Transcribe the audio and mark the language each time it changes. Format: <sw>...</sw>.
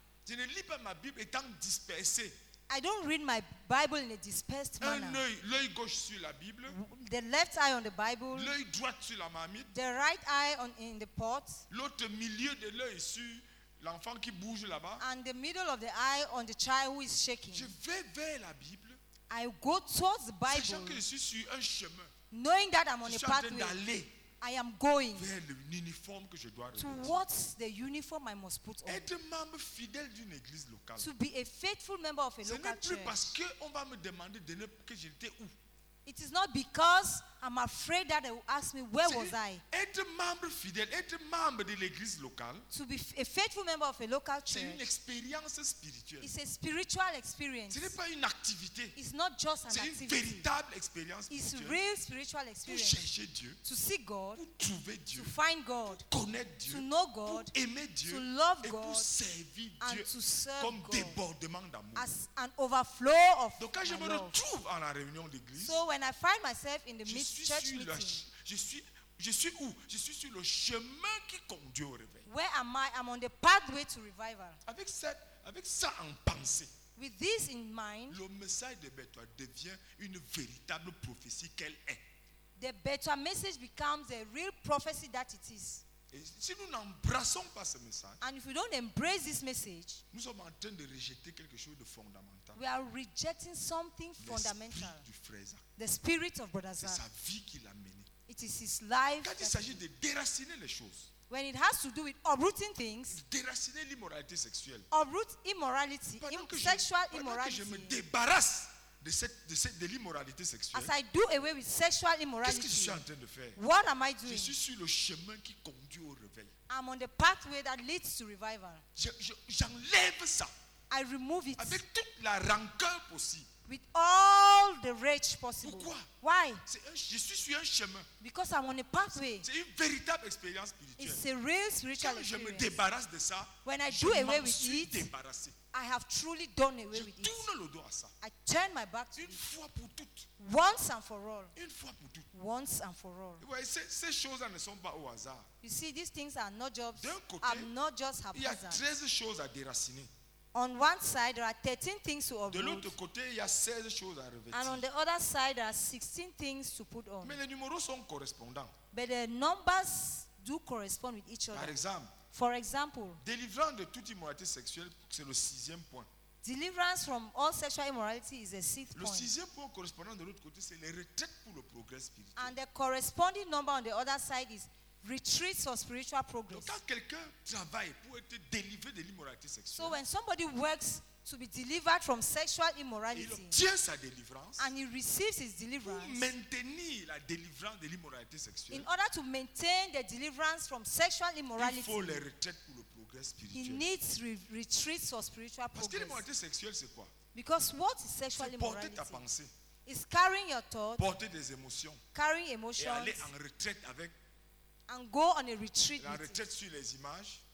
<fr>Je ne lis pas ma Bible étant dispersé.</fr> <en>I don't read my Bible in a dispersed manner.</en> <fr>Un œil, l'œil gauche sur la Bible.</fr> <en>The left eye on the Bible.</en> <fr>L'œil droit sur la marmite.</fr> <en>The right eye in the pot.</en> <fr>L'autre milieu de l'œil sur l'enfant qui bouge là-bas.</fr> <en>And the middle of the eye on the child who is shaking.</en> <fr>Je vais vers la Bible.</fr> <en>I go towards the Bible.</en> <fr>Sachant que je suis sur un chemin.</fr> <en>Knowing that I'm on a pathway.</en> <fr>D'aller.</fr> <en>I am going</en> <fr>vers l'uniforme que je dois revêtir.</fr> <en>Towards the uniform I must put on.</en> <fr>Être membre fidèle d'une église locale.</fr> <en>To be a faithful member of a</en> <fr>ce</fr> <en>local church.</en> <fr>Ce n'est plus parce que on va me demander de ne que j'étais où.</fr> <en>It is not because I'm afraid that they will ask me where</en> <fr>c'est</fr> <en>was I.</en> <fr>Être membre fidèle, être membre de l'église locale.</fr> <en>To be a faithful member of a local church.</en> <fr>C'est une expérience spirituelle.</fr> <en>It's a spiritual experience.</en> <fr>Ce n'est pas une activité.</fr> <en>It's not just an</en> <fr>c'est</fr> <en>activity.</en> <fr>C'est une véritable expérience spirituelle.</fr> <en>It's a real spiritual experience.</en> <fr>Pour chercher Dieu.</fr> <en>To seek God.</en> <fr>Pour trouver Dieu.</fr> <en>To find God.</en> <fr>Pour connaître Dieu.</fr> <en>To know God.</en> <fr>Pour aimer Dieu.</fr> <en>To love</en> <fr>et</fr> <en>God.</en> <fr>Et pour servir</fr> <en>and</en> <fr>Dieu.</fr> <en>To serve</en> <fr>comme</fr> <en>God.</en> <fr>Débordement d'amour.</fr> <en>As an overflow of</en> <fr>donc quand je me</fr> <en>love.</en> <fr>Retrouve à la réunion d'église.</fr> <en>So when I find myself in the</en> <fr>je suis</fr> <en>church</en> <fr>sur</fr> <en>meeting.</en> <fr>Je suis où? Je suis sur le chemin qui conduit au réveil.</fr> <en>Where am I? I'm on the pathway to revival.</en> <fr>Avec ça en pensée.</fr> <en>With this in mind,</en> <fr>le message de Betoa devient une véritable prophétie qu'elle est.</fr> <en>The Betoa message becomes a real prophecy that it is.</en> <fr>Et si nous n'embrassons pas ce message,</fr> <en>and if we don't embrace this message,</en> <fr>nous sommes en train de rejeter quelque chose de fondamental.</fr> <en>We are rejecting something fundamental.</en> <fr>L'esprit du frère Zach.</fr> <en>The spirit of brother Zach.</en> <fr>C'est sa vie qui l'a mené.</fr> <en>It is his life.</en> <fr>Quand il s'agit de déraciner les choses,</fr> <en>when it has to do with uprooting things,</en> <fr>déraciner l'immoralité sexuelle,</fr> <en>uproot immorality, sexual immorality.</en> <fr>Pendant que je me débarrasse de l'immoralité sexuelle.</fr> <en>As I do away with sexual immorality.</en> <fr>Qu'est-ce que je suis en train de faire?</fr> <en>What am I doing?</en> <fr>Je suis sur le chemin qui conduit au réveil.</fr> <en>I'm on the pathway that leads to revival.</en> <fr>J'enlève ça.</fr> <en>I remove it.</en> <fr>Avec toute la rancœur possible.</fr> <en>With all the rage possible.</en> <fr>Pourquoi?</fr> <en>Why?</en> <fr>Je suis sur un chemin.</fr> <en>Because I'm on a pathway.</en> <fr>C'est une véritable expérience spirituelle.</fr> <en>It's a real spiritual</en> <fr>quand je</fr> <en>experience.</en> <fr>Je me débarrasse de ça.</fr> <en>When I do away with</en> <fr>suis</fr> <en>it.</en> <fr>Débarrassé.</fr> <en>I have truly done away</en> <fr>je</fr> <en>with it.</en> <fr>Tourne le dos à ça.</fr> <en>I turn my back to</en> <fr>une</fr> <en>it.</en> <fr>Fois pour toutes.</fr> <en>Once and for all.</en> <fr>Une fois pour toutes.</fr> <en>Once and for all.</en> <fr>Et ouais, ces choses ne sont pas au hasard.</fr> <en>You see, these things are not jobs.</en> <fr>D'un côté,</fr> <en>are not just haphazard.</en> <fr>Il y a 13 choses à déraciner.</fr> <en>On one side, there are 13 things to uproot.</en> <fr>De l'autre côté, il y a 16 choses à revêtir.</fr> <en>And on the other side, there are 16 things to put on.</en> <fr>Mais les numéros sont correspondants.</fr> <en>But the numbers do correspond with each other.</en> <fr>Par exemple,</fr> <en>For example,</en> <fr>délivrance de toute immoralité sexuelle, c'est le sixième point.</fr> <en>Deliverance from all sexual immorality is a sixth point.</en> <fr>Le sixième point correspondant de l'autre côté, c'est les retraites pour le progrès spirituel.</fr> <en>And the corresponding number on the other side is retreats for spiritual progress.</en> <fr>Donc, quand quelqu'un travaille pour être délivré de l'immoralité sexuelle,</fr> <en>so when somebody works to be delivered from sexual immorality,</en> <fr>il obtient sa délivrance,</fr> <en>and he receives his deliverance,</en> <fr>pour maintenir la délivrance de l'immoralité sexuelle,</fr> <en>in order to maintain the deliverance from sexual immorality,</en> <fr>il faut les retraites pour le progrès spirituel.</fr> <en>He needs retreats for spiritual progress.</en> <fr>Parce que l'immoralité sexuelle, c'est quoi?</fr> <en>Because what is sexual immorality?</en> <fr>C'est porter ta pensée.</fr> <en>It's carrying your thoughts.</en> <fr>Porter des émotions.</fr> <en>Carrying emotions.</en> <fr>Et aller en retraite avec.</fr> <en>And go on a retreat.</en> <fr>La retraite sur les images.</fr>